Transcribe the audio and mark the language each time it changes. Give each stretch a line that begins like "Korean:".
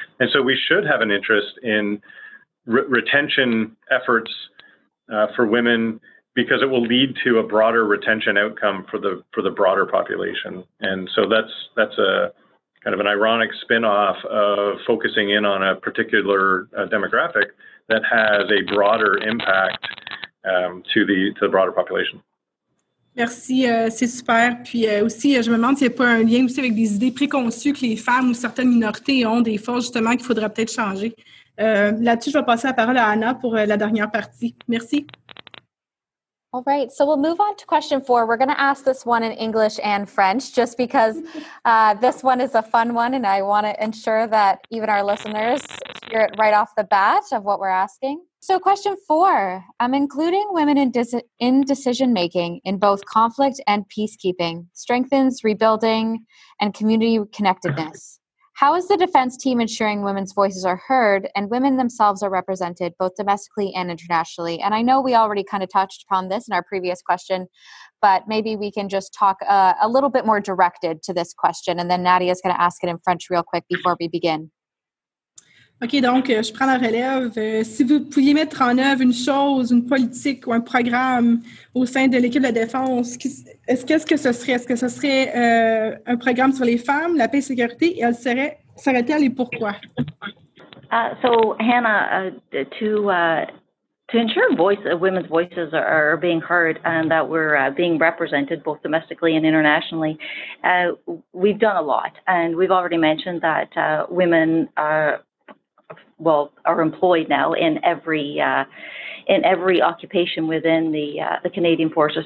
English: And so we should have an interest in retention efforts for women, because it will lead to a broader retention outcome for the broader population. And so that's a kind of an ironic spin-off of focusing in on a particular demographic that has a broader impact to the broader population.
French: Merci, c'est super. Puis aussi, je me demande s'il n'y a pas un lien aussi avec des idées préconçues que les femmes ou certaines minorités ont des forces justement qu'il faudrait peut-être changer. Là-dessus, je vais passer la parole à Anna pour la dernière partie. Merci.
English: All right, so we'll move on to question four. We're going to ask this one in English and French just because this one is a fun one and I want to ensure that even our listeners hear it right off the bat of what we're asking. So question four, including women in decision-making in both conflict and peacekeeping strengthens rebuilding and community connectedness. How is the defense team ensuring women's voices are heard and women themselves are represented both domestically and internationally? And I know we already kind of touched upon this in our previous question, but maybe we can just talk a little bit more directed to this question. And then Nadia is going to ask it in French real quick before we begin.
French: OK, donc, je prends la relève. Si vous pouviez mettre en œuvre une chose, une politique ou un programme au sein de l'équipe de la défense, qu'est-ce que ce serait? Est-ce que ce serait un programme sur les femmes, la paix et la sécurité, et elle serait-elle et pourquoi?
English: So, Hannah, to ensure women's voices are being heard and that we're being represented both domestically and internationally, we've done a lot. And we've already mentioned that women are employed now in every occupation within the Canadian Forces.